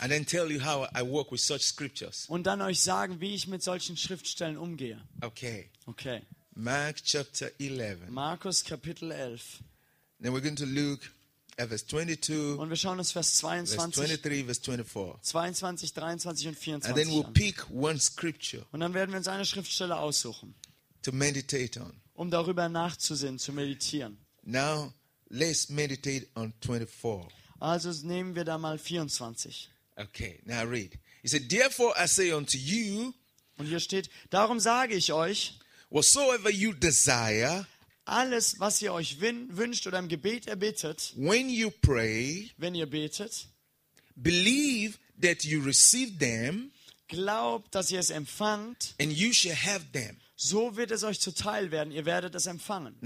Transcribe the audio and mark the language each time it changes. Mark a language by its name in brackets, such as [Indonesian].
[English] And then tell you how I work with such scriptures. [German] Und dann euch sagen, wie ich mit solchen Schriftstellen umgehe. [English] Okay. [German] Okay. [English] Mark chapter 11. [German] Markus Kapitel 11. [English] Then we're going to look at verse 22. [German] Und wir schauen uns Vers 22. [English] Verse 23, verse 24. [German] 22, 23 und 24. [English] And then we'll pick one scripture. [German] Und dann werden wir uns eine Schriftstelle aussuchen. [English] To meditate on. [German] Um darüber nachzusinnen, zu meditieren. [English] Now let's meditate on 24. [German] Also nehmen wir da mal 24. [English] Okay, now read. He said, "Therefore I say unto you." [German] Und hier steht: Darum sage ich euch. [English] Whatsoever you desire, [German] alles, was ihr euch wünscht oder im Gebet erbittet, [English] when you pray, [German] wenn ihr betet, [English] believe that you receive them, [German] glaubt, dass ihr es empfangt, [English] and you shall have them. [German] So wird es euch zuteil werden, ihr werdet es empfangen.